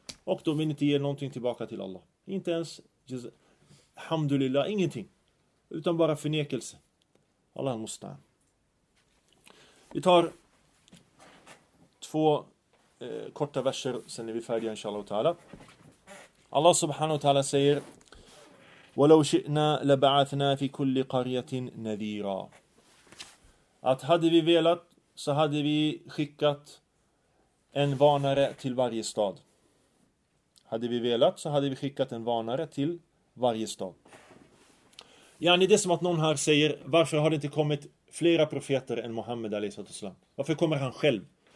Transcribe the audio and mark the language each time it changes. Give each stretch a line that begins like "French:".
Swedish: Och de vill inte ge någonting tillbaka till Allah. Inte ens, alhamdulillah, ingenting. Utan bara förnekelse. Allah måste. Vi tar två korta verser. Sen är vi färdiga, inshallah och ta'ala. Allah subhanahu wa ta'ala säger:
Arabic: وَلَوْ شِئْنَا لَبَعَثْنَا فِي كُلِّ قَرْيَةٍ نَذِيرًا.
Swedish: Att hade vi velat så hade vi skickat en varnare till varje stad. Hade vi velat så hade vi skickat en varnare till varje stad. Yani, det är som att någon här säger, varför har det inte kommit flera profeter än Muhammed a.s.w.? Varför kommer han själv?